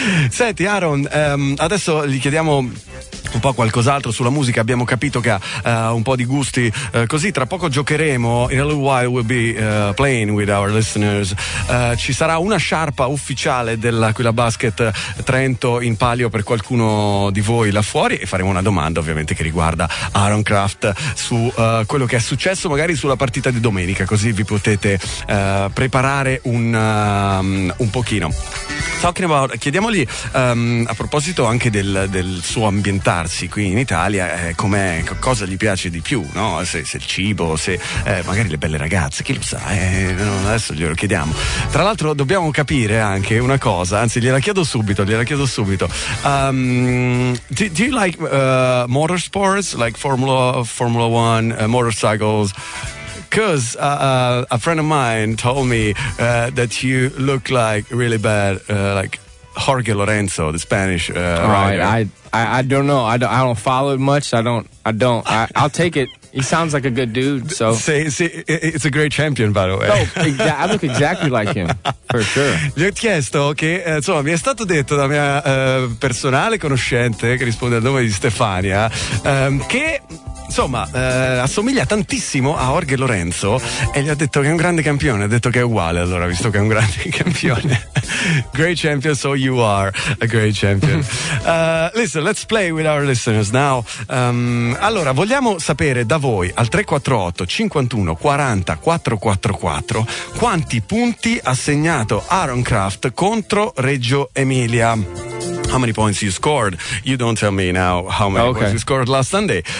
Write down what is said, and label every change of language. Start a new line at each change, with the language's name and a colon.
Italian: Senti, Aaron, adesso gli chiediamo un po' qualcos'altro sulla musica. Abbiamo capito che ha un po' di gusti così. Tra poco giocheremo,
English: in a little while we'll be playing with our listeners.
Italian: Ci sarà una sciarpa ufficiale dell'Aquila Basket Trento in palio per qualcuno di voi là fuori e faremo una domanda ovviamente che riguarda Aaron Kraft su quello che è successo magari sulla partita di domenica, così vi potete preparare un pochino. Chiediamogli a proposito anche del suo ambientare. allenarsi qui in Italia, com'è, cosa gli piace di più, no? Se il cibo, se magari le belle ragazze, chi lo sa, adesso glielo chiediamo. Tra l'altro dobbiamo capire anche una cosa, anzi gliela chiedo subito.
English: Do you like motorsports, like Formula One, motorcycles? Because a friend of mine told me that you look like really bad, like Jorge Lorenzo, the Spanish. Right. I don't know. I don't follow it much. I don't. I'll take it. He sounds like a good dude. So it's a great champion, by the way. I look exactly like him, for sure.
Italian: Gli ho chiesto che insomma mi è stato detto da mia personale conoscente che risponde al nome di Stefania che insomma assomiglia tantissimo a Jorge Lorenzo, e gli ha detto che è un grande campione. Ha detto che è uguale, allora, visto che è un grande campione.
English: Great champion, so you are a great champion. Listen, let's play with our listeners now.
Italian: Allora, vogliamo sapere da voi al 348 51 40 444 quanti punti ha segnato Aaron Kraft contro Reggio Emilia.
English: How many points you scored? You don't tell me now how many points you scored last Sunday.